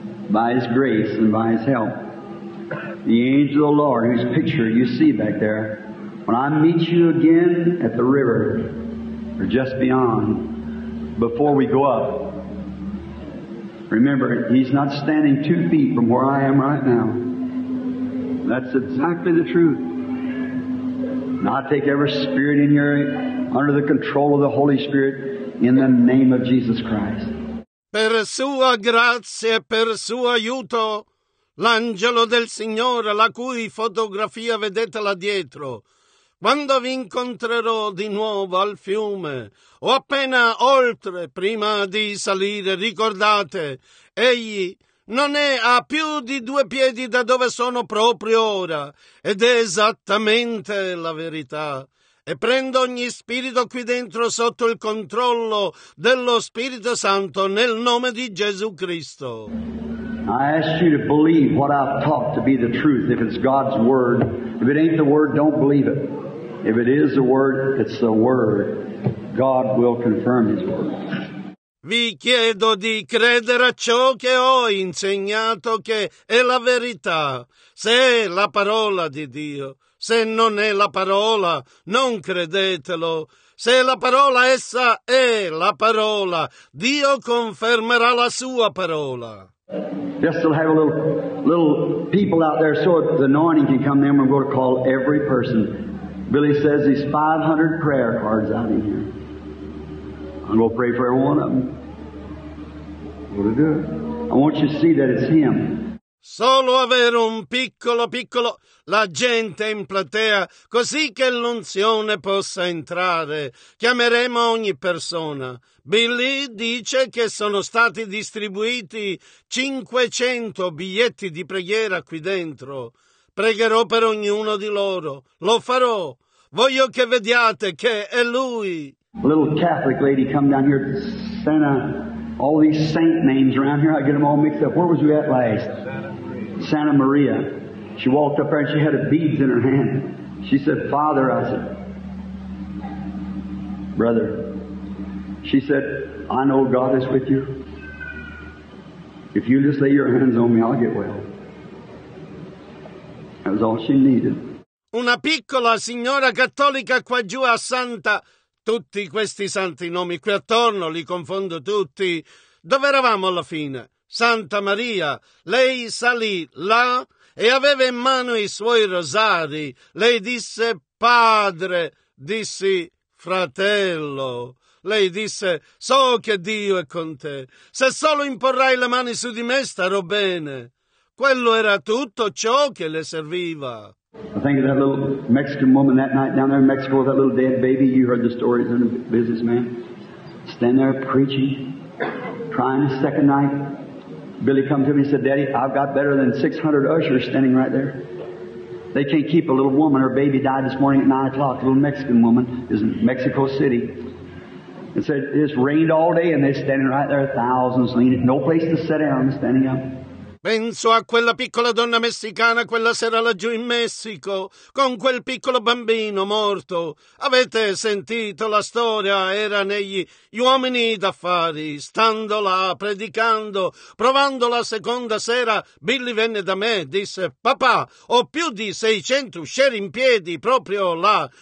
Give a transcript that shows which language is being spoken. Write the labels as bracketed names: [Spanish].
[English] By His grace and by His help. The angel of the Lord, whose picture you see back there, when I meet you again at the river, or just beyond, before we go up, remember, He's not standing 2 feet from where I am right now. That's exactly the truth. Now I take every spirit in here under the control of the Holy Spirit in the name of Jesus Christ. [Italian] Per sua grazia e per suo aiuto, l'angelo del Signore, la cui fotografia vedete là dietro, quando vi incontrerò di nuovo al fiume o appena oltre, prima di salire, ricordate, egli non è a più di 2 piedi da dove sono proprio ora, ed è esattamente la verità. E prendo ogni spirito qui dentro sotto il controllo dello Spirito Santo nel nome di Gesù Cristo. [English] I ask you to believe what I've taught to be the truth. If it's God's word, if it ain't the word, don't believe it. If it is the word, it's the word. God will confirm His word. [Italian] Vi chiedo di credere a ciò che ho insegnato, che è la verità, se è la parola di Dio. Se non è la parola, non credetelo. Se è la parola, essa è la parola. Dio confermerà la sua parola. [English] Just to have a little people out there so the anointing can come in, we're going to call every person. Billy says he's 500 prayer cards out in here. I'm going to pray for every one of them. What a good. I want you to see that it's him. [Italian] Solo avere un piccolo, la gente in platea, così che l'unzione possa entrare. Chiameremo ogni persona. Billy dice che sono stati distribuiti 500 biglietti di preghiera qui dentro. Pregherò per ognuno di loro. Lo farò. Voglio che vediate che è lui. [English] A little Catholic lady come down here, Santa, all these saint names around here, I get them all mixed up. Where was we at last? Santa Maria. She walked up there and she had a beads in her hand. She said, Father, I said, Brother, she said, I know God is with you. If you just lay your hands on me, I'll get well. That was all she needed. [Italian] una piccola signora cattolica qua giù a Santa... Tutti questi santi nomi qui attorno, li confondo tutti. Dove eravamo alla fine? Santa Maria, lei salì là e aveva in mano i suoi rosari. Lei disse, padre, dissi, fratello. Lei disse, so che Dio è con te. Se solo imporrai le mani su di me, starò bene. Quello era tutto ciò che le serviva. [English] I think of that little Mexican woman that night down there in Mexico with that little dead baby. You heard the stories of the businessman. Stand there preaching, crying the second night. Billy come to me and said, Daddy, I've got better than 600 ushers standing right there. They can't keep a little woman. Her baby died this morning at 9 o'clock. A little Mexican woman is in Mexico City. And said, it's rained all day and they're standing right there, thousands leaning. No place to sit down, standing up. [Italian] Penso a quella piccola donna messicana quella sera laggiù in Messico, con quel piccolo bambino morto. Avete sentito la storia? Era negli uomini d'affari. Stando là, predicando, provando la seconda sera, Billy venne da me e disse, papà, ho più di 600 uscieri in piedi proprio là.